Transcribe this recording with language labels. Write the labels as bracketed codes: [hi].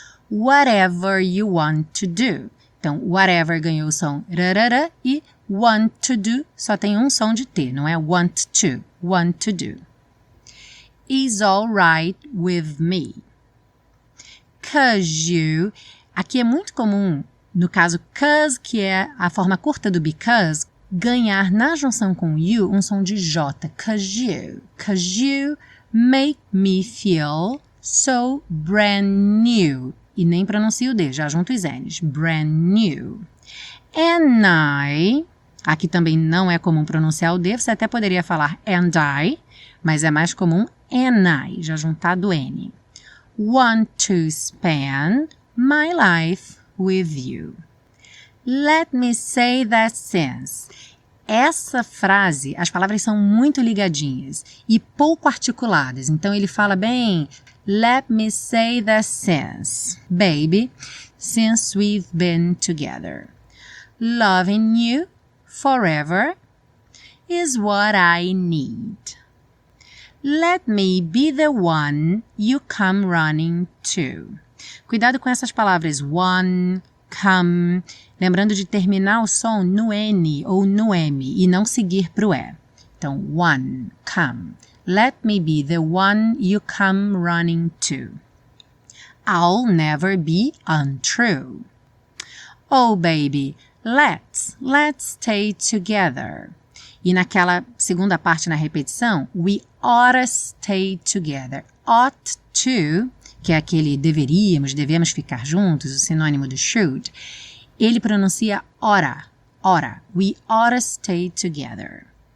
[en] Whatever you want to do. [pt] Então, whatever ganhou o som rarara e [en] want to do [pt] só tem um som de T, não é want to. [en] Want to do. Is all right with me. 'Cause you. [pt] Aqui é muito comum, no caso 'cause, que é a forma curta do because, ganhar na junção com you um som de J. [en] 'Cause you. 'Cause you make me feel so brand new. [pt] E nem pronuncio o D, já junto os N's. Brand new. [en] And I. [pt] Aqui também não é comum pronunciar o D, você até poderia falar and I, mas é mais comum and I, já juntado N. [en] Want to spend my life with you. Let me say that since. [pt] Essa frase, as palavras são muito ligadinhas e pouco articuladas, então ele fala bem, [en] let me say that since, baby, since we've been together. Loving you forever is what I need. Let me be the one you come running to. [pt] Cuidado com essas palavras, one, come, lembrando de terminar o som no N ou no M e não seguir para o E. Então, one, come. [en] Let me be the one you come running to. I'll never be untrue. Oh, baby, let's stay together. [pt] E naquela segunda parte na repetição, [en] we oughta stay together. [pt] Ought to, que é aquele deveríamos, devemos ficar juntos, o sinônimo do should, ele pronuncia ora, ora. [en] We oughta stay together.